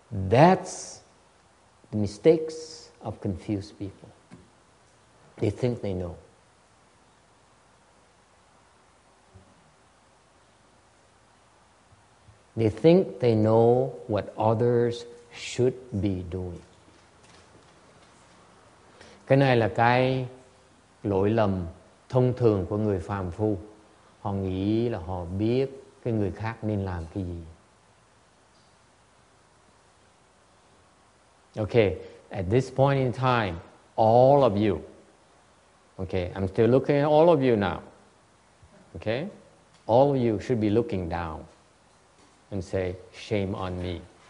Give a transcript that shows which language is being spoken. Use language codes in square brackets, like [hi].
[en] That's the mistakes of confused people. They think they know. They think they know what others should be doing. [vi] Cái này là cái lỗi lầm thông thường của người phàm phu. Họ nghĩ là họ biết cái người khác nên làm cái gì. [en] Okay, at this point in time, all of you. Okay, I'm still looking at all of you now. Okay? All of you should be looking down and say, shame on me.